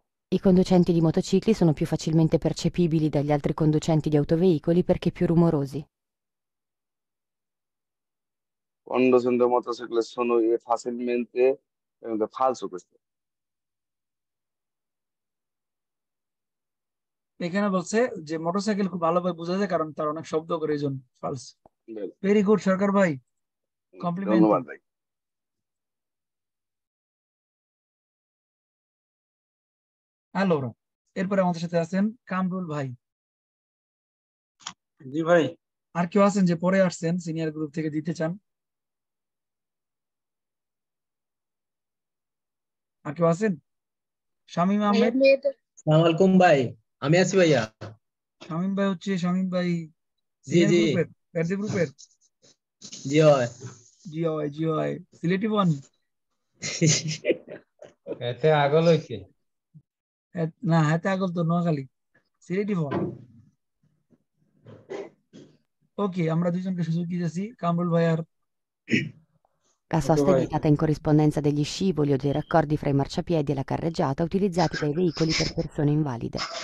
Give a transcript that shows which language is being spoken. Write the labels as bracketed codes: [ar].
[it] I conducenti di motocicli sono più facilmente percepibili dagli altri conducenti di autoveicoli perché più rumorosi. Quando sento motocicli sono facilmente falso questo. [bn] এখানে বলছে যে motorcycle খুব ভালোভাবে বোঝা যায় কারণ তার অনেক শব্দ করে এই জন্য ফলস। [en] very good [bn] সরকার ভাই, কমপ্লিমেন্ট। হ্যালো, এরপরে আমাদের সাথে আছেন কামরুল ভাই। জি ভাই, আর কেউ আছেন যে পরে আসছেন সিনিয়র গ্রুপ থেকে দিতে চান? আর কেউ আছেন? শামীম আহমেদ। সালাম আলাইকুম ভাই, আমি আছি ভাইয়া। শামীম ভাই হচ্ছে শামীম ভাই, জি জি, ব্যাডি গ্রুপের, জি হয় জি হয় জি হয় সিলেটি ওয়ান। এতে আগল হইছে না? এতে আগল তো নোয়াখালী, সিলেটি ওয়ান। ওকে, আমরা দুজনকে সুযোগ দিয়েছি কামরুল ভাই। আর [it] La sosta è dettata in corrispondenza degli scivoli o dei raccordi fra i marciapiedi e la carreggiata utilizzati dai veicoli per persone invalide.